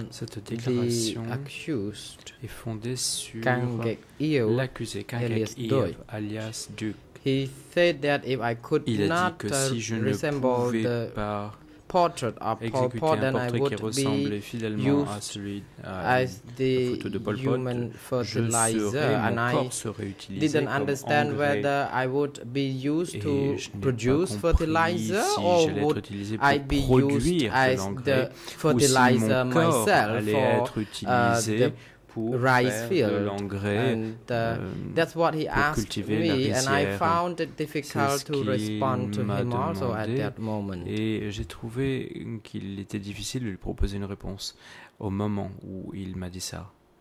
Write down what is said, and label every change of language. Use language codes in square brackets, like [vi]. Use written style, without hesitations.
[fr] cette déclaration est fondée sur l'accusé Kangek-Iev, alias Duke. [en] He said that if I could not resemble the portrait of Pol Pot, then I would be used as the human fertilizer, and I didn't understand whether I would be used to produce fertilizer or would I be used as the fertilizer myself for rice field, and that's what he asked me, and I found it difficult to respond to him also at that moment. [fr] Et j'ai trouvé qu'il était difficile de lui proposer une réponse au moment où il m'a dit ça.